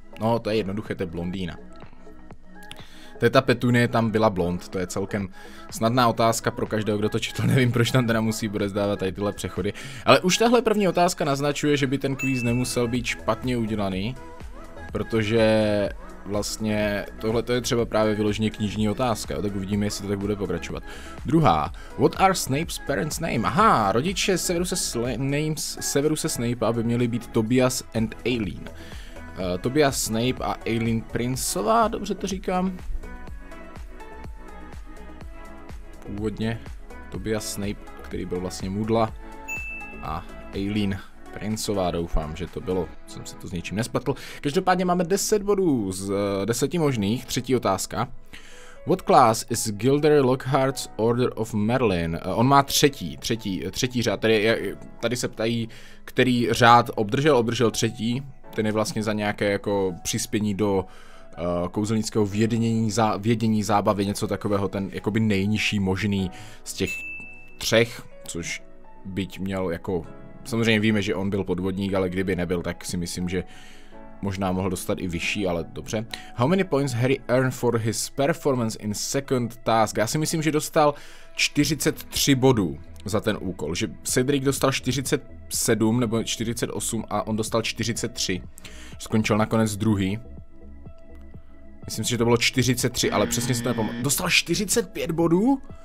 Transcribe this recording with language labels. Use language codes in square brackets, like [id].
[cs] No, to je jednoduché, to je blondýna. Teta Petunie tam byla blond, to je celkem snadná otázka pro každého, kdo to četl, nevím, proč tam teda musí bude zdávat tady tyhle přechody. Ale už tahle první otázka naznačuje, že by ten quiz nemusel být špatně udělaný, protože vlastně tohle to je třeba právě vyloženě knižní otázka, tak uvidíme, jestli to tak bude pokračovat. Druhá, [en] what are Snape's parents' name? [cs] Aha, rodiče Severuse Snape by měly být Tobias [en] and [cs] Aileen. Tobias Snape a Aileen Princeová, dobře to říkám. Původně Tobias Snape, který byl vlastně Moodle, a Aileen Princeová, doufám, že to bylo, jsem se to s něčím nespletl. Každopádně máme 10 bodů z 10 možných, třetí otázka. [en] What class is Gilder Lockhart's Order of Merlin? [cs] On má třetí řád, tady se ptají, který řád obdržel třetí, ten je vlastně za nějaké jako přispění do kouzelnického vědění, zábavy, něco takového, ten jakoby nejnižší možný z těch třech, což byť měl jako, samozřejmě víme, že on byl podvodník, ale kdyby nebyl, tak si myslím, že možná mohl dostat i vyšší, ale dobře. [en] How many points Harry earned for his performance in second task? [cs] Já si myslím, že dostal 43 bodů za ten úkol, že Cedric dostal 47 nebo 48 a on dostal 43, skončil nakonec druhý. Myslím si, že to bylo 43, ale přesně si to nepamatuju. Dostal 45 bodů?